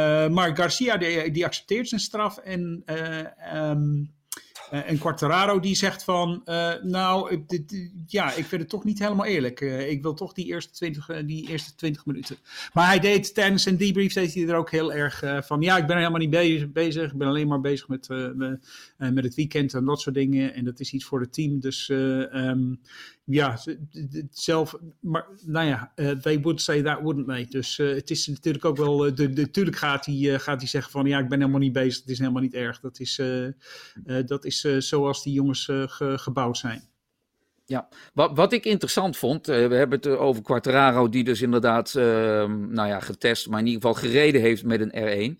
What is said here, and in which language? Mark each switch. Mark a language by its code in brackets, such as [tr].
[nl] Maar Garcia die accepteert zijn straf. En Quartararo die zegt van, ik vind het toch niet helemaal eerlijk. Ik wil toch die eerste 20 minuten. Maar hij deed tijdens zijn debrief, deed hij er ook heel erg van, ja, ik ben er helemaal niet bezig. Ik ben alleen maar bezig met het weekend en dat soort dingen. En dat is iets voor het team. Dus [en] they would say that, wouldn't they? [nl] Dus het is natuurlijk ook wel, natuurlijk gaat hij zeggen van, ja, ik ben helemaal niet bezig. Het is helemaal niet erg. Dat is zoals die jongens gebouwd zijn. Ja, wat ik interessant vond, we hebben het over Quartararo, die dus inderdaad getest, maar in ieder geval gereden heeft met een R1.